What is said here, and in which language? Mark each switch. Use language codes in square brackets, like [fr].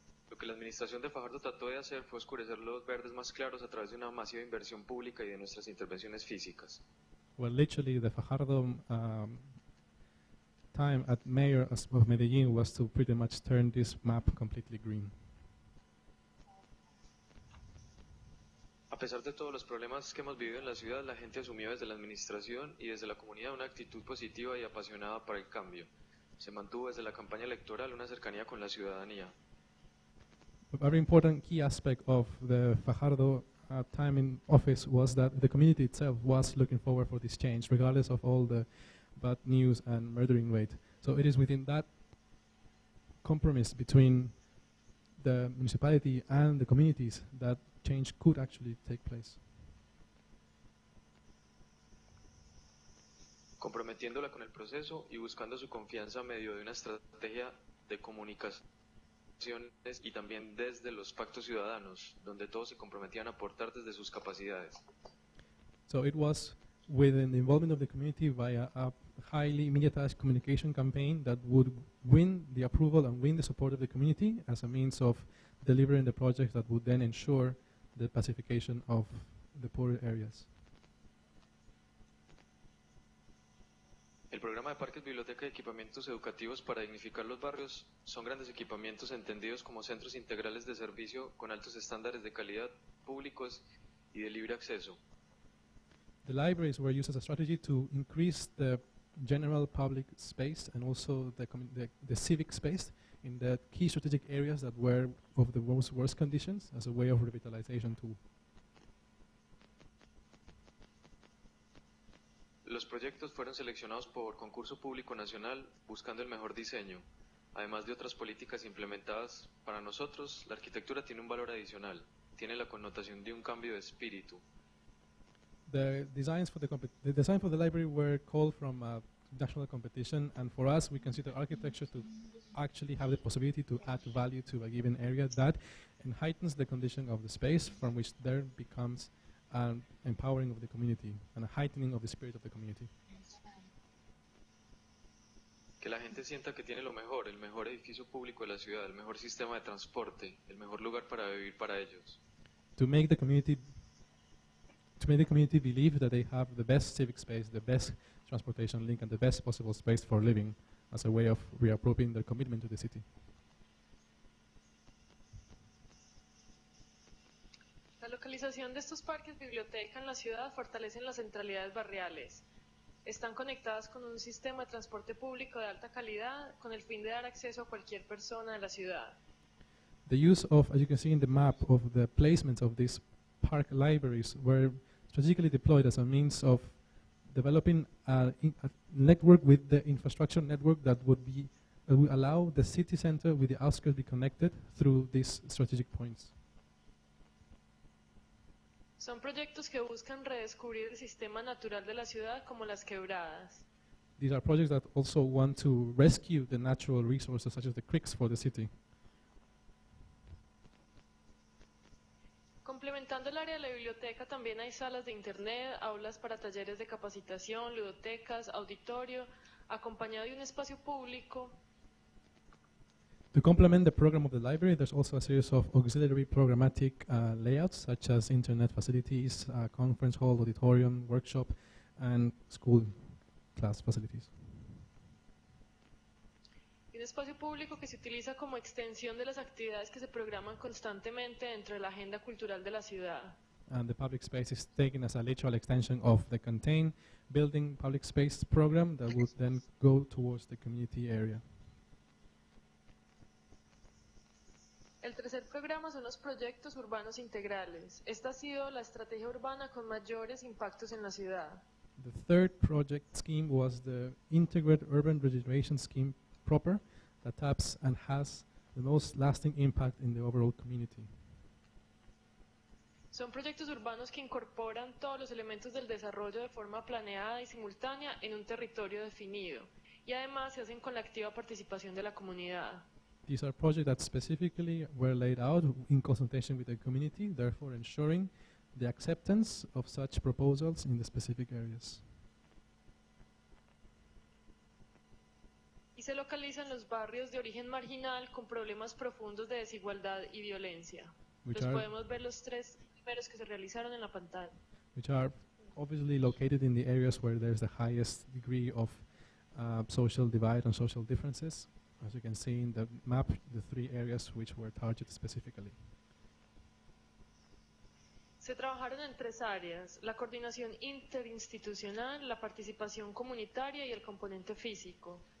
[es] Lo que la administración de Fajardo trató de hacer fue oscurecer los verdes más claros a través de una masiva inversión pública y de nuestras intervenciones físicas. [en] Well, literally, the Fajardo time at mayor of Medellin was to pretty much turn this map completely green. [es] A pesar de todos los problemas que hemos vivido en la ciudad, la gente asumió desde la administración y desde la comunidad una actitud positiva y apasionada para el cambio. Se mantuvo desde la campaña electoral una cercanía con la ciudadanía. [en] A very important key aspect of the Fajardo time in office was that the community itself was looking forward for this change, regardless of all the bad news and murdering rate. So it is within that compromise between the municipality and the communities that change could actually take place. [es] Comprometiéndola con el proceso y buscando su confianza medio de una estrategia de comunicaciones y también desde los pactos ciudadanos, donde todos se comprometían a aportar desde sus capacidades. [en] So it was within the involvement of the community via a highly mediatized communication campaign that would win the approval and win the support of the community as a means of delivering the project that would then ensure the pacification of the poorer areas. [es] El programa de parques, biblioteca y equipamientos educativos para dignificar los barrios son grandes equipamientos entendidos como centros integrales de servicio con altos estándares de calidad públicos y de libre acceso. [en] The libraries were used as a strategy to increase the general public space and also the civic space in the key strategic areas that were of the worst conditions as a way of revitalization tool. [es] Los proyectos fueron seleccionados por concurso público nacional buscando el mejor diseño. Además de otras políticas implementadas para nosotros, la arquitectura tiene un valor adicional. Tiene la connotación de un cambio de espíritu. [en] The designs for the library were called from a national competition, and for us, we consider architecture to actually have the possibility to add value to a given area that heightens the condition of the space from which there becomes an empowering of the community and a heightening of the spirit of the community. [es] Que la gente sienta que tiene lo mejor, el mejor edificio público de la ciudad, el mejor sistema de transporte, el mejor lugar para vivir para ellos. [en] To make the community believe that they have the best civic space, the best transportation link, and the best possible space for living as a way of reappropriating their commitment to the city. [es] La localización de estos parques, biblioteca en la ciudad fortalecen las centralidades barriales. Están conectadas con un sistema de transporte público de alta calidad con el fin de dar acceso a cualquier persona de la ciudad. [en] The use of, as you can see in the map, of the placements of these park libraries were strategically deployed as a means of developing a network with the infrastructure network that would be would allow the city center with the outskirts be connected through these strategic points. [es] Son proyectos que buscan redescubrir el sistema natural de la ciudad como las quebradas. [en] These are projects that also want to rescue the natural resources such as the creeks for the city. [es] Complementando el área de la biblioteca, también hay salas de internet, aulas para talleres de capacitación, ludotecas, auditorio, acompañado de un espacio público. [en] To complement the program of the library, there's also a series of auxiliary programmatic layouts, such as internet facilities, conference hall, auditorium, workshop, and school class facilities. [es] Un espacio público que se utiliza como extensión de las actividades que se programan constantemente dentro de la agenda cultural de la ciudad. [en] And the public space is taken as a literal extension of the contained building public space program that would then go towards the community area. [es] El tercer programa son los proyectos urbanos integrales. Esta ha sido la estrategia urbana con mayores impactos en la ciudad. [en] The third project scheme was the integrated urban regeneration scheme proper that taps and has the most lasting impact in the overall community. [es] Son proyectos urbanos que incorporan todos los elementos del desarrollo de forma planeada y simultánea en un territorio definido y además se hacen con la activa participación de la comunidad. [en] These are projects that specifically were laid out in consultation with the community, therefore ensuring the acceptance of such proposals in the specific areas. [es] Y se localizan los barrios de origen marginal con problemas profundos de desigualdad y violencia. [en] Which [es] los podemos ver los tres primeros que se realizaron en la pantalla. [en] Which are obviously located in the areas where there's the highest degree of social divide and social differences. As you can see in the map, the three areas which were targeted specifically. [es] Se trabajaron en tres áreas: la coordinación interinstitucional, la participación comunitaria y el componente físico.